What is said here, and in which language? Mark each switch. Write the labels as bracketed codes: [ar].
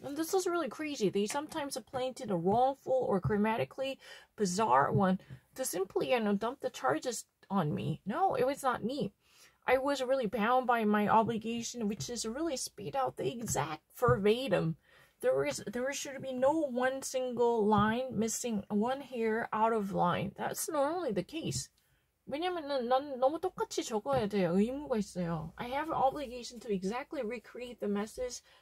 [en] And this is really crazy. They sometimes apply to the wrongful or grammatically bizarre one to simply, you know, dump the charges on me. No, it was not me. I was really bound by my obligation, which is really spit out the exact verbatim. There should be no one single line missing, one hair out of line. That's normally the case. [ko] 왜냐면은 난 너무 똑같이 적어야 돼요. 의무가 있어요. [en] I have an obligation to exactly recreate the message.